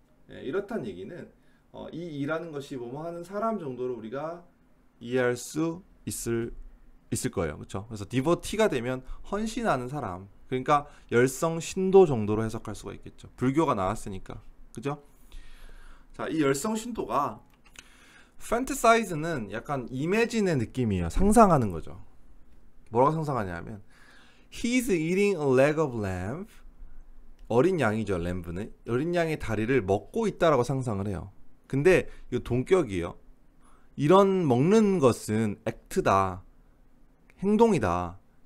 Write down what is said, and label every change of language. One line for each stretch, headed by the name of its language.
Korean: 예, 이렇단 얘기는, 이 일하는 것이 뭐뭐 하는 사람 정도로 우리가 이해할 수 있을 거예요. 그쵸? 그래서 devotee가 되면 헌신하는 사람. 그러니까 열성 신도 정도로 해석할 수가 있겠죠. 불교가 나왔으니까. 그죠? 자, 이 열성 신도가, fantasize는 약간 imagine의 느낌이에요. 상상하는 거죠.
English: 뭐라고 상상하냐면, He is eating a leg of lamb
Korean: 어린 양이죠, 램브는. 어린 양의 다리를 먹고 있다라고 상상을 해요. 근데 이거 동격이에요. 이런 먹는 것은 액트다. 행동이다.